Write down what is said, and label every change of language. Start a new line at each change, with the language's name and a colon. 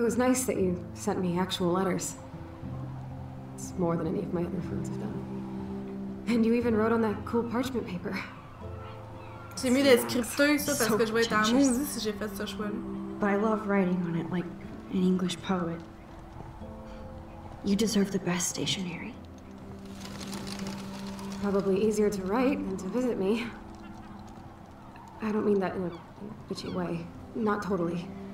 English: It was nice that you sent me actual letters. More than any of my other friends have done. And you even wrote on that cool parchment paper.
French: J'ai mis des scripteurs, ça, parce que je vais être en mousse si j'ai fait ce choix-là.
English: But I love writing on it like an English poet. You deserve the best stationery. Probably easier to write than to visit me. I don't mean that in a bitchy way. Not totally.